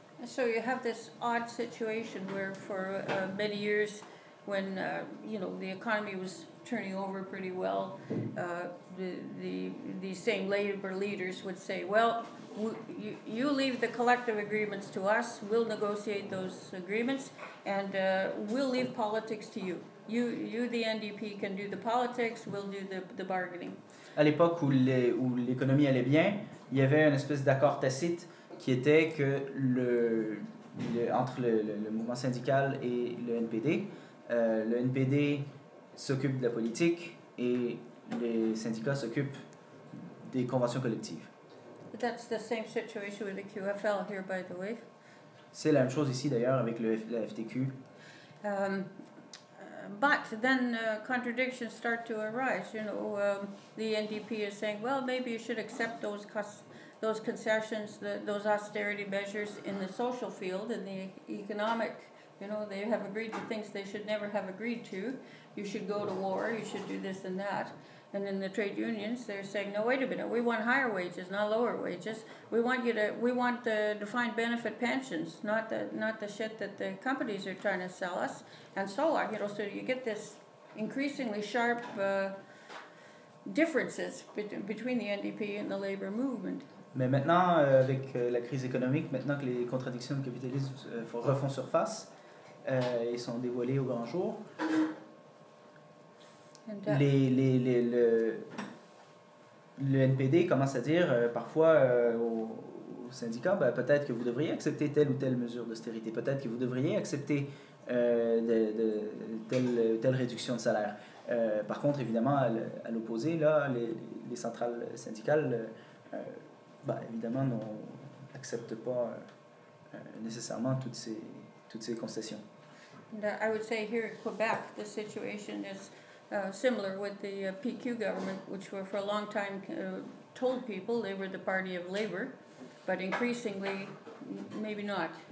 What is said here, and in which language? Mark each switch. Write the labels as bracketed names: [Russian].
[English] So you have this odd situation where for many years, when the economy was turning over pretty well, the same labor leaders would say, well, you leave the collective agreements to us, we'll negotiate those agreements, and we'll leave politics to you. You, the NDP, can do the politics, we'll do the bargaining. [French] À l'époque où l'économie allait bien, il y avait une espèce d'accord tacite qui était que entre le mouvement syndical et le NPD, le NPD s'occupe de la politique et les syndicats s'occupent des conventions collectives. [English] That's the same situation with the QFL here, by the way. [French] C'est la même chose ici, d'ailleurs, avec la FTQ. [English] But then contradictions start to arise. The NDP is saying, well, maybe you should accept those concessions, those austerity measures in the social field, in the economic, they have agreed to things they should never have agreed to. You should go to war, you should do this and that. And in the trade unions, they're saying, no, wait a minute, we want higher wages, not lower wages. We want the defined benefit pensions, not the shit that the companies are trying to sell us, and so on. So you get this increasingly sharp differences between the NDP and the labor movement. [French] Mais maintenant, avec la crise économique, maintenant que les contradictions du capitalisme refont surface et sont dévoilées au grand jour, le NPD commence à dire parfois aux syndicats, peut-être que vous devriez accepter telle ou telle mesure d'austérité, peut-être que vous devriez accepter telle réduction de salaire. Par contre, évidemment, à l'opposé, là, les centrales syndicales, évidemment, n'acceptent pas nécessairement toutes ces concessions. [English] I would say here in Quebec, the situation is similar with the PQ government, which were for a long time told people they were the party of labor, but increasingly, maybe not.